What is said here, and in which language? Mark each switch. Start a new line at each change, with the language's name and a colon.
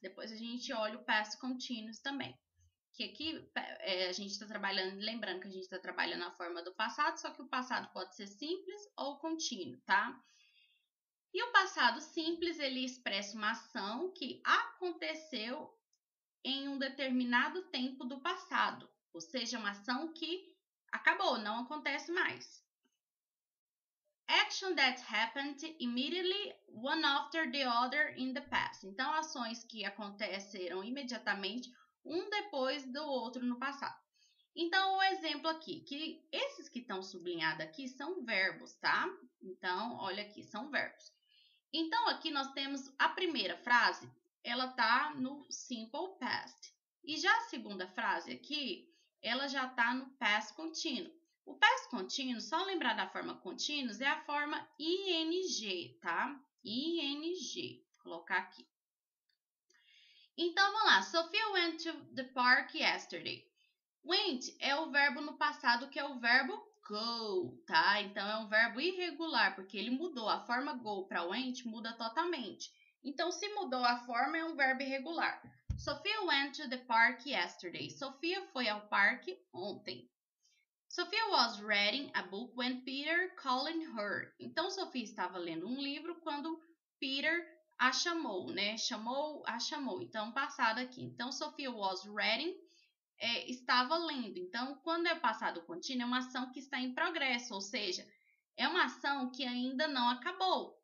Portuguese: Depois a gente olha o past continuous também. Que aqui a gente está trabalhando, lembrando que a gente está trabalhando na forma do passado, só que o passado pode ser simples ou contínuo, tá? E o passado simples, ele expressa uma ação que aconteceu em um determinado tempo do passado. Ou seja, uma ação que acabou, não acontece mais.
English: Action that happened immediately, one after the other in the past.
Portuguese: Então, ações que aconteceram imediatamente, um depois do outro no passado. Então, o exemplo aqui, que esses que estão sublinhados aqui são verbos, tá? Então, olha aqui, são verbos. Então, aqui nós temos a primeira frase, ela está no simple past. E já a segunda frase aqui, ela já está no past contínuo. O past contínuo, só lembrar da forma contínuos, é a forma ing, tá? Ing, vou colocar aqui. Então, vamos lá.
English: Sophia went to the park yesterday.
Portuguese: Went é o verbo no passado, que é o verbo go, tá? Então, é um verbo irregular, porque ele mudou. A forma go para went muda totalmente. Então, se mudou a forma, é um verbo irregular.
English: Sophia went to the park yesterday.
Portuguese: Sophia foi ao parque ontem.
English: Sophia was reading a book when Peter called her.
Portuguese: Então, Sophia estava lendo um livro quando Peter a chamou, né? Chamou, a chamou. Então, passado aqui. Então,
English: Sophia was reading,
Portuguese: estava lendo. Então, quando é passado contínuo, é uma ação que está em progresso. Ou seja, é uma ação que ainda não acabou.